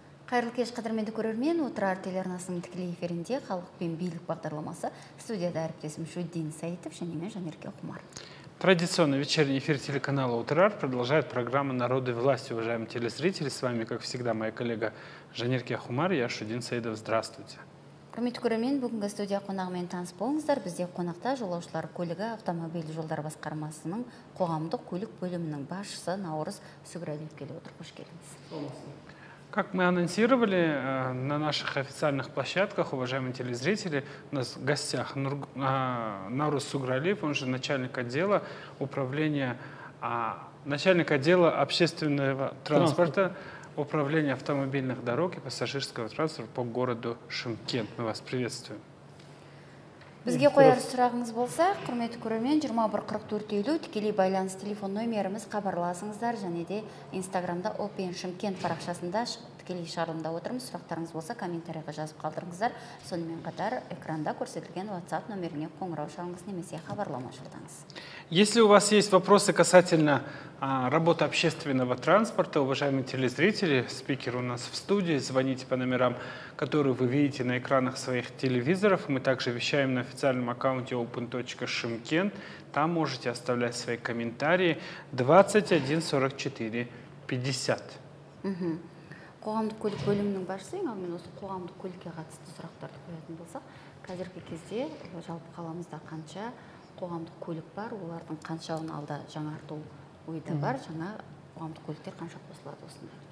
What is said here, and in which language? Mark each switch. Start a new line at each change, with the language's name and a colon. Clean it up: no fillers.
Kazakh: Қайырлы кеш, қадірменді көрермен, отырар телеарнасының тікелей эфирінде халық пен билік бағдарламасы. Студияда әріптесім Жүдден Сайтов және мен Жанерке Құмар.
Russian: Традиционный вечерний эфир телеканала «Утрар» продолжает программа «Народ и власть». Уважаемые телезрители, с вами, как всегда, моя коллега Жанерке Ахумар, я Шудин Саидов. Здравствуйте.
Kazakh: Құрметті көрермен, бүгінгі студия қонағымен таныс болыңыздар. Бізде қонақта жолаушылар көлігі автомобиль жолдар басқармасының қоғамдық көлік бөлімінің басшысы Наурыз Сүгірәлиев келіп отыр. Қош келдіңіз.
Russian: Как мы анонсировали на наших официальных площадках, уважаемые телезрители, у нас в гостях Наурыз Сүгірәлиев, он же начальник отдела управления, начальник отдела общественного транспорта, управления автомобильных дорог и пассажирского транспорта по городу Шымкент. Мы вас приветствуем.
Kazakh: Бізге қояр сұрағыңыз болса, құрметті көрермен, 21-44-50, тікелей байланыс телефон номеріміз, хабарласыңыздар, және де Инстаграмда Open Шымкент парақшасында тікелей шарылымда отырмыз. Сұрақтарыңыз болса, комментарияға жазып қалдырыңыздар. Сонымен қатар, экранда көрсетілген WhatsApp номеріне қоңырау шалыңыз, немесе хабарлама жолдаңыз.
Russian: Если у вас есть вопросы касательно работы общественного транспорта, уважаемые телезрители, спикер у нас в студии, звоните по номерам, которые вы видите на экранах своих телевизоров. Мы также вещаем на официальном аккаунте open.shymkent. Там можете оставлять свои комментарии 21-44-50.
Kazakh: Қоғамдық көлік бөлімінің басшысы, ең алдымен осы қоғамдық көлікке қатысты сұрақтарды қоятын болса, қазіргі кезде жалпы қаламызда қанша қоғамдық көлік бар, олардың қаншауын алда жаңарту ойда бар, жаңа қоғамдық көліктер қанша қосылады осында?